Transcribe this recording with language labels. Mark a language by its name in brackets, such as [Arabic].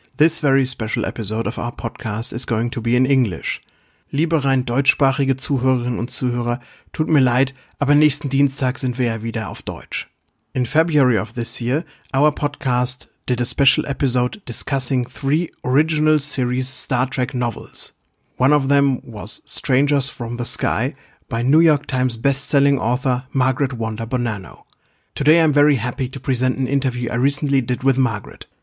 [English] This very special episode of our podcast is going to be in English. [German] Liebe rein deutschsprachige Zuhörerinnen und Zuhörer, tut mir leid, aber nächsten Dienstag sind wir ja wieder auf Deutsch. [English] In February of this year, our podcast did a special episode discussing three original series Star Trek novels. One of them was Strangers from the Sky by New York Times best-selling author Margaret Wander Bonanno. Today I'm very happy to present an interview I recently did with Margaret.